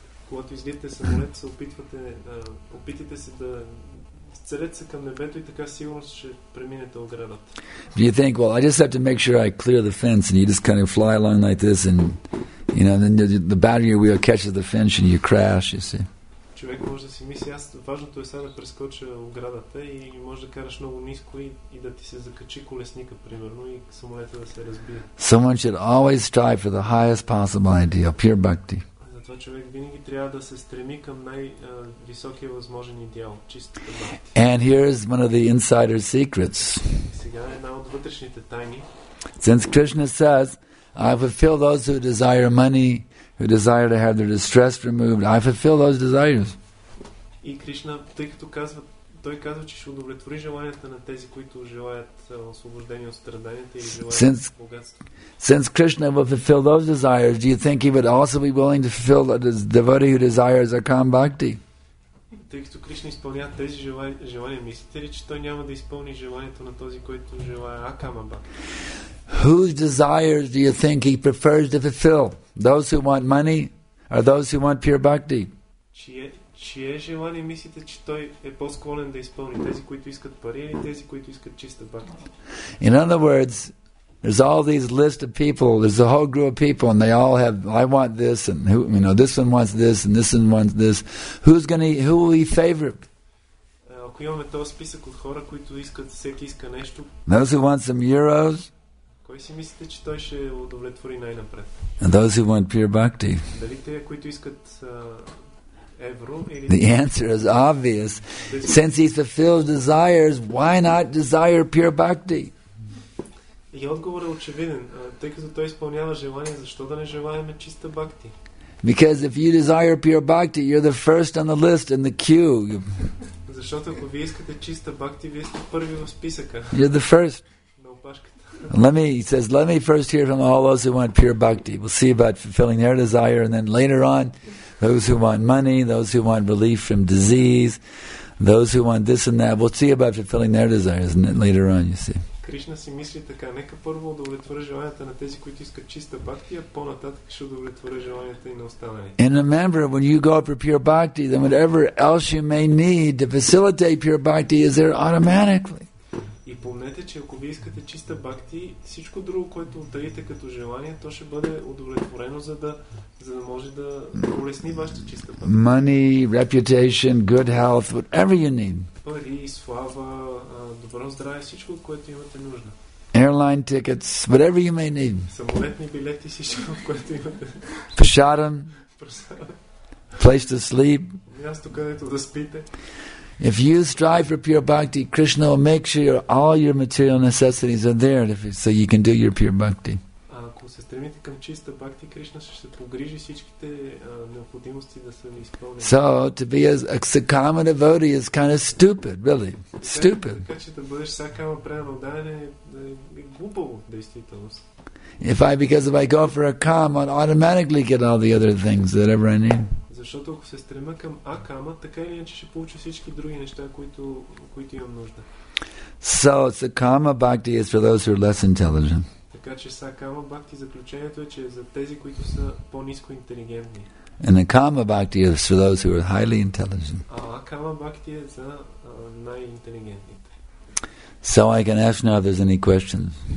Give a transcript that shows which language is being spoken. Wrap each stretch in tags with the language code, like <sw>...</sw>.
<en>You think, well, I just have to make sure I clear the fence, and you just kind of fly along like this, and you know, then the battery wheel catches the fence, and you crash, you see.</en> <bg>Човек може да си мисли, аз важното е само да прескоча оградата и може да караш много ниско и да ти се закачи колесника, примерно, и самолета да се разбие.</bg> <en>Someone should always strive for the highest possible ideal, pure bhakti.</en> <bg>Затова човек винаги трябва да се стреми към най-високия възможен идеал, чиста бхакти.</bg> <en>And here is one of the insider secrets.</en> <bg>Сега е една от вътрешните тайни.</bg> <en>Since Krishna says, I fulfill those who desire money, who desire to have their distress removed, I fulfill those desires.</en> <bg>И Кришна, тъй като казва, той казва, че ще удовлетвори желанията на тези, които желаят освобождение от страданията или желаят богатство.</bg> <en>Since Krishna will fulfill those desires, do you think he would also be willing to fulfill the devotee who desires akam bhakti?</en> <bg>Тъй като Кришна изпълнява тези желания, мислите ли, че той няма да изпълни желанието на този, който желая акама бхакти?</bg> <en>Whose desires do you think he prefers to fulfill? Those who want money or those who want pure bhakti?</en> <bg>Чие желание мислите, че той е по-склонен да изпълни? Тези, които искат пари или тези, които искат чиста бхакти?</bg> <en>In other words, there's all these list of people, there's a whole group of people and they all have, I want this and who, you know, this one wants this and this one wants this. Who will he favor?</en> <bg>Ако имаме този списък от хора, които искат, всеки иска нещо.</bg> <en>Those who want some euros,</en> <bg>кой си мислите, че той ще удовлетвори най-напред?</bg> <en>And those who want pure bhakti.</en> <bg>Дали те, които искат евро?</bg> <en>The answer is obvious. Since he fulfills desires, why not desire pure bhakti?</en> <bg>И отговорът е очевиден. Тъй като той изпълнява желание, защо да не желаеме чиста бхакти?</bg> <en>Because if you desire pure bhakti, you're the first on the list in the queue.</en> <bg>Защото ако вие искате чиста бхакти, вие сте първи в списъка.</bg> <en>You're the first. He says, let me first hear from all those who want pure bhakti. We'll see about fulfilling their desire, and then later on, those who want money, those who want relief from disease, those who want this and that, we'll see about fulfilling their desires, and then later on, you see.</en> <bg>Кришна си мисли така, нека първо удовлетворя желанията на тези, които искат чиста бхакти, а по-нататък ще удовлетворя желанията и на останалите.</bg> <en>And remember, when you go for pure bhakti, then whatever else you may need to facilitate pure bhakti is there automatically.</en> <bg>И помнете, че ако вие искате чиста бхакти, всичко друго, което отдаете като желание, то ще бъде удовлетворено, за да може да улесни вашата чиста бхакти.</bg> <en>Money, reputation, good health, whatever you need.</en> <bg>Пари, слава, добро здраве, всичко, което имате нужда.</bg> <en>Airline tickets, whatever you may need.</en> <bg>Самолетни билети, всичко, което имате.</bg> <en>Prasadam. Place to sleep.</en> <bg>Място, където да спите.</bg> <en>If you strive for pure bhakti, Krishna will make sure all your material necessities are there so you can do your pure bhakti.</en> <bg>Ако се стремите към чиста бхакти, Кришна ще се погрижи всичките необходимости да се изпълнят.</bg> <en>So, to be a Sakama devotee is kind of stupid, really. Stupid.</en> <bg>Да бъдеш Сакама преданен е глупаво, действително.</bg> <en>If I go for a kama, I'll automatically get all the other things that ever I need.</en> <bg>Защото ако се стрема към акама, така или иначе ще получа всички други неща, които имам нужда.</bg> <en>So, Sakama bhakti is for those who are less intelligent.</en> <bg>Така че Сакама бхакти, заключението е, че е за тези, които са по-ниско интелигентни.</bg> <en>And Akama bhakti is for those who are highly intelligent.</en> <bg>А Акама бхакти е за най-интелигентните.</bg> <en>So I can ask now if there's any questions.</en>